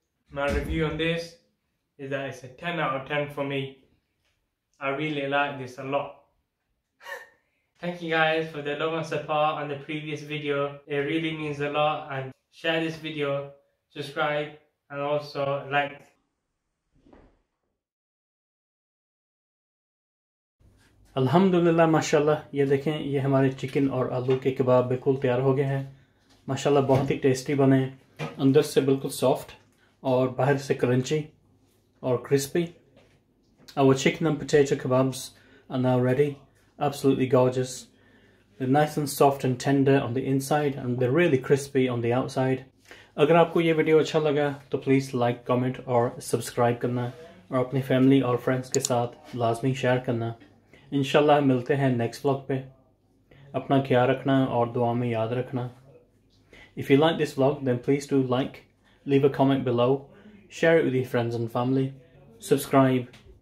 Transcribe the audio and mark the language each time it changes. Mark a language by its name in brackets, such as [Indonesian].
[English] My review on this is that it's a 10 out of 10 for me. I really like this a lot. Thank you guys for the love and support on the previous video. It really means a lot, and share this video, subscribe and also like. [Hindi] अल्हम्दुलिल्लाह माशाल्लाह, ये देखें, ये हमारे chicken और आलू के कबाब बिल्कुल तैयार हो गए हैं। माशाल्लाह बहुत ही टेस्टी बने, अंदर से बिल्कुल सॉफ्ट और बाहर से क्रंची और crispy. [English] Our chicken and potato kebabs are now ready, absolutely gorgeous. They're nice and soft and tender on the inside, and they're really crispy on the outside. [Hindi] अगर आपको ये वीडियो अच्छा लगा तो प्लीज़ लाइक, कमेंट और subscribe करना, और अपने फैमिली और फ्रेंड्स के साथ लाजमी शेयर करना। इंशाल्लाह मिलते हैं नेक्स्ट व्लॉग पे। अपना ख्याल रखना और दुआ में याद रखना। [English] If you like this vlog then please do like, leave a comment below, share it with your friends and family, subscribe.